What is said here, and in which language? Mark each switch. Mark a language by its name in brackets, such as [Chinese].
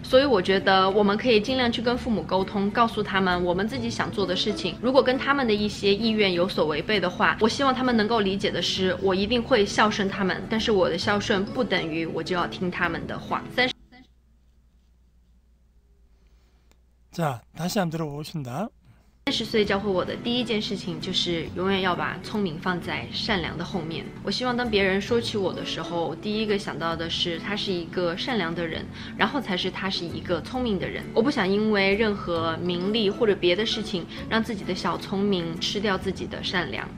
[Chinese] 所以我觉得我们可以尽量去跟父母沟通，告诉他们我们自己想做的事情，如果跟他们的一些意愿有所违背的话，我希望他们能够理解的是我一定会孝顺他们，但是我的孝顺不等于我就要听他们的话。 [Korean] 자다시한번들어보겠습니다. [Chinese] 20岁教会我的第一件事情就是永远要把聪明放在善良的后面。我希望当别人说起我的时候，第一个想到的是他是一个善良的人，然后才是他是一个聪明的人。我不想因为任何名利或者别的事情让自己的小聪明吃掉自己的善良。